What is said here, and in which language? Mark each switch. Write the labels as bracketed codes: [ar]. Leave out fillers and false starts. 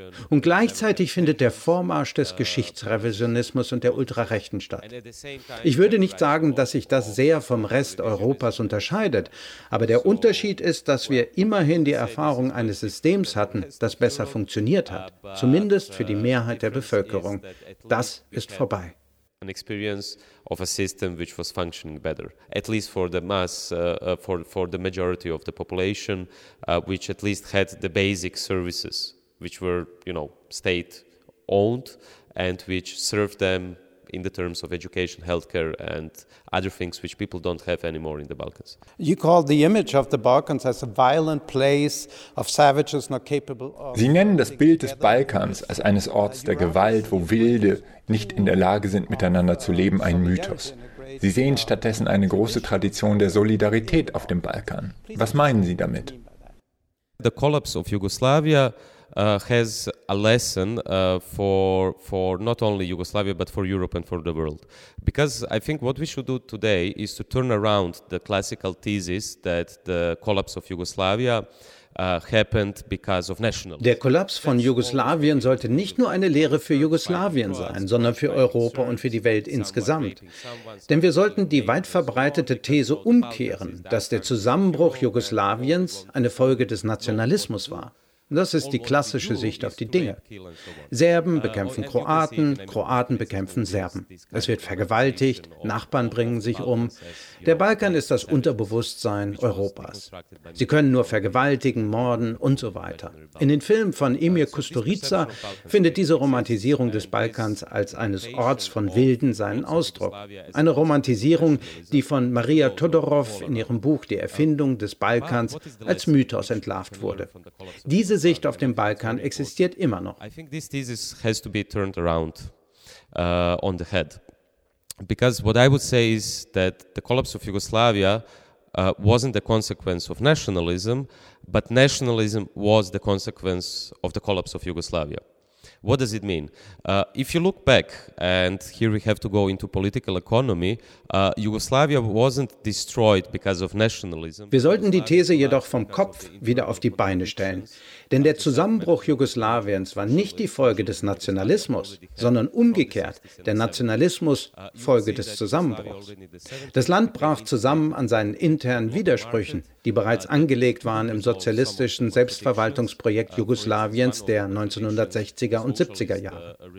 [de] Und gleichzeitig findet der Vormarsch des Geschichtsrevisionismus und der Ultrarechten statt. Ich würde nicht sagen, dass sich das sehr vom Rest Europas unterscheidet, aber der Unterschied ist, dass wir immerhin die Erfahrung eines Systems hatten, das besser funktioniert hat, zumindest für die Mehrheit der Bevölkerung. Das ist vorbei. [en] An experience of a system which was functioning better, at least for the mass, for the majority of the population, which at least had the basic services, which were, you know, state owned and which served them in the terms of education, healthcare, and other things which people don't have anymore in the Balkans. You call the image of the Balkans as a violent place of savages not capable of. [de] Sie nennen das Bild des Balkans als eines Orts der Gewalt, wo Wilde nicht in der Lage sind, miteinander zu leben, ein Mythos. Sie sehen stattdessen eine große Tradition der Solidarität auf dem Balkan. Was meinen Sie damit? [en] The collapse of Yugoslavia has a lesson for not only Yugoslavia but for Europe and for the world, because I think what we should do today is to turn around the classical thesis that the collapse of Yugoslavia happened because of nationalism. [de] Der Kollaps von Jugoslawien sollte nicht nur eine Lehre für Jugoslawien sein, sondern für Europa und für die Welt insgesamt. Denn wir sollten die weit verbreitete These umkehren, dass der Zusammenbruch Jugoslawiens eine Folge des Nationalismus war. Das ist die klassische Sicht auf die Dinge. Serben bekämpfen Kroaten, Kroaten bekämpfen Serben. Es wird vergewaltigt, Nachbarn bringen sich um. Der Balkan ist das Unterbewusstsein Europas. Sie können nur vergewaltigen, morden und so weiter. In den Filmen von Emir Kusturica findet diese Romantisierung des Balkans als eines Orts von Wilden seinen Ausdruck. Eine Romantisierung, die von Maria Todorov in ihrem Buch Die Erfindung des Balkans als Mythos entlarvt wurde. Diese Sicht auf den Balkan existiert immer noch. [en] I think this thesis has to be turned around on the head. Because what I would say is that the collapse of Yugoslavia wasn't the consequence of nationalism, but nationalism was the consequence of the collapse of Yugoslavia. What does it mean? If you look back, and here we have to go into political economy, Yugoslavia wasn't destroyed because of nationalism. [de] Wir sollten die These jedoch vom Kopf wieder auf die Beine stellen. Denn der Zusammenbruch Jugoslawiens war nicht die Folge des Nationalismus, sondern umgekehrt, der Nationalismus Folge des Zusammenbruchs. Das Land brach zusammen an seinen internen Widersprüchen, die bereits angelegt waren im sozialistischen Selbstverwaltungsprojekt Jugoslawiens der 1960er und 70er Jahre.